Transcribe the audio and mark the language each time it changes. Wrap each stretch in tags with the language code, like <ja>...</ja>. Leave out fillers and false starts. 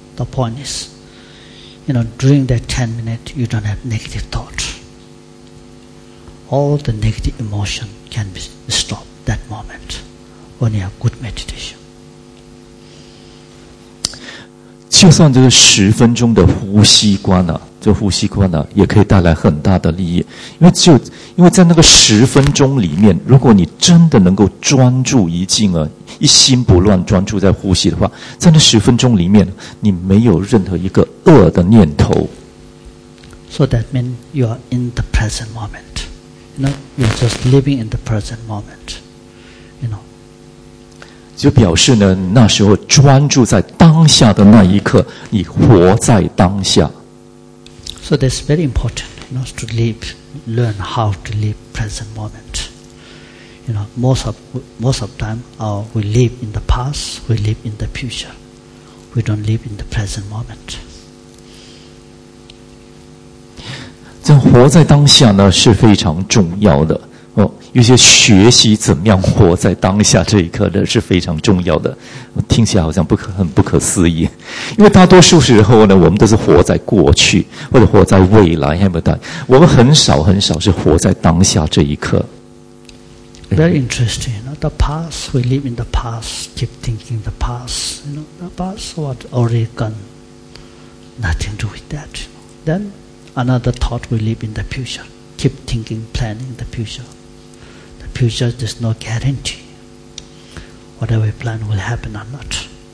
<en>The point is, you know, during that 10 minutes, you don't have negative thought. All the negative emotion can be stopped that moment when you have good meditation.</en> <zh>就算这个十分钟的呼吸观啊，这呼吸观啊，也可以带来很大的利益。因为在那个十分钟里面，如果你真的能够专注一境啊，一心不乱，专注在呼吸的话，在那十分钟里面，你没有任何一个恶的念头。</zh> <en>So that means you are in the present moment. You know, you're just living in the present moment. You know.</en> <zh>就表示呢，那时候专注在当下的那一刻，你活在当下。</zh> <en>So that's very important, you know, to live, learn how to live present moment. You know, most of time, we live in the past, we live in the future. We don't live in the present moment.</en> <zh>这活在当下呢是非常重要的。哦，有些学习怎么样活在当下这一刻呢是非常重要的，听起来好像很不可思议，因为大多数时候呢，我们都是活在过去或者活在未来，还没到，我们很少很少是活在当下这一刻。</zh> <en>Very interesting. the past, we live in the past, keep thinking the past, you know, the past was already gone, nothing to do with that. Then another thought, we live in the future, keep thinking, planning the future. The future, there's no guarantee whatever we plan will happen or not.</en>